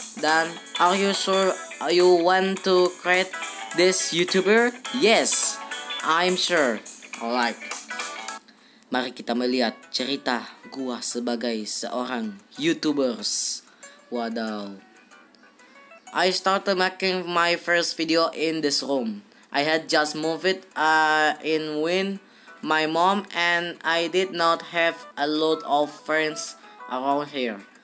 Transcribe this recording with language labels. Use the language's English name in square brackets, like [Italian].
[English] Dan are you sure you want to create this YouTuber? Yes, I'm sure. Alright. [Indonesian] Mari kita melihat cerita gua sebagai seorang YouTubers. Wadaw. [English] I started making my first video in this room. I had just moved it in when my mom and I did not have a lot of friends around here.